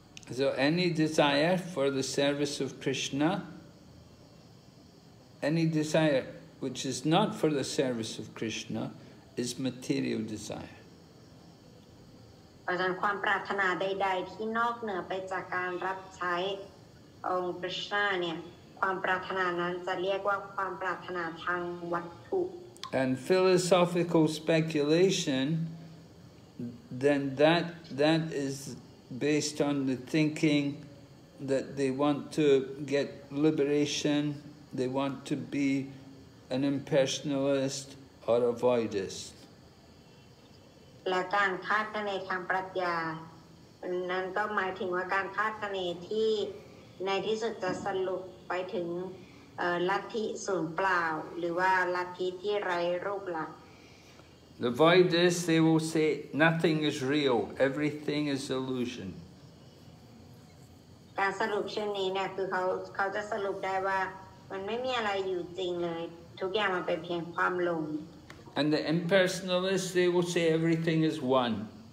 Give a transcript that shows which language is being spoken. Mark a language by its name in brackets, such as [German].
[English] So any desire for the service of Krishna, any desire which is not for the service of Krishna, is material desire. [Thai] เพราะฉะนั้นความปรารถนาใดๆที่นอกเหนือไปจากการรับใช้องค์พระชาเนี่ยความปรารถนานั้นจะเรียกว่าความปรารถนาทางวัตถุ [English] And philosophical speculation then that is based on the thinking that they want to get liberation they want to be an impersonalist or a voidist [Thai] และการคาดคะเนทางปรัชญานั้นก็หมายถึงว่าการคาดคะเนที่ในที่สุดจะสรุปไปถึงลัทธิศูนย์เปล่าหรือว่าลัทธิที่ไร้รูปหลัก [English] The voidists they will say nothing is real everything is illusion [Thai] การสรุปเช่นนี้เนี่ยคือเขาจะสรุปได้ว่ามันไม่มีอะไรอยู่จริงเลยทุกอย่างมันเป็นเพียงความหลง [English] And the impersonalists, they will say everything is one.